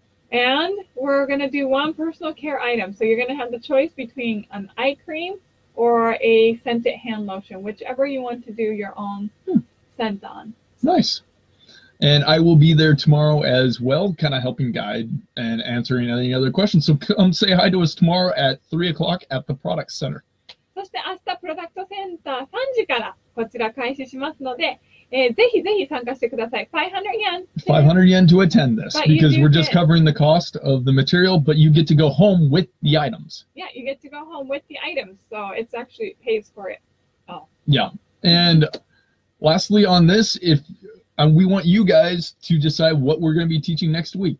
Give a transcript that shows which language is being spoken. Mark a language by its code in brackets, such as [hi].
[en] And we're going to do one personal care item. So you're going to have the choice between an eye cream or a scented hand lotion, whichever you want to do your own scent on. Nice. And I will be there tomorrow as well, kind of helping guide and answering any other questions. So come say hi to us tomorrow at 3 o'clock at the Product Center. [ja] そして明日、プロダクトセンター3時からこちら開始しますので、ぜひぜひ参加してください。 [en] 500 yen. 500 yen to attend this, because we're just covering the cost of the material, but you get to go home with the items. Yeah, you get to go home with the items, so it actually pays for it. Oh. Yeah. And lastly on this, we want you guys to decide what we're going to be teaching next week.